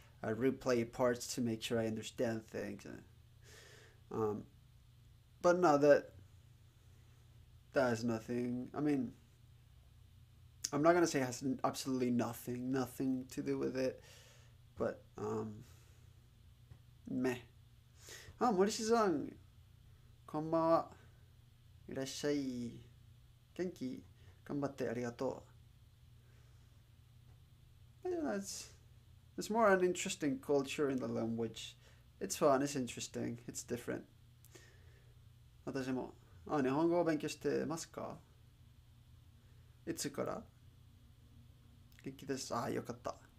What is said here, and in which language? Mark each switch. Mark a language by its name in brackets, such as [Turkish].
[English] I replay parts to make sure I understand things. But no, that is nothing. I mean, I'm not gonna say it has absolutely nothing to do with it, but meh. [Japanese] あ、森氏さん、こんばんは。いらっしゃい。元気？頑張って、ありがとう。 [English] Yeah, it's more an interesting culture in the language. It's fun, it's interesting, it's different. [Japanese] 私も、あ、日本語を勉強してますか？いつから？元気です。ああ、よかった。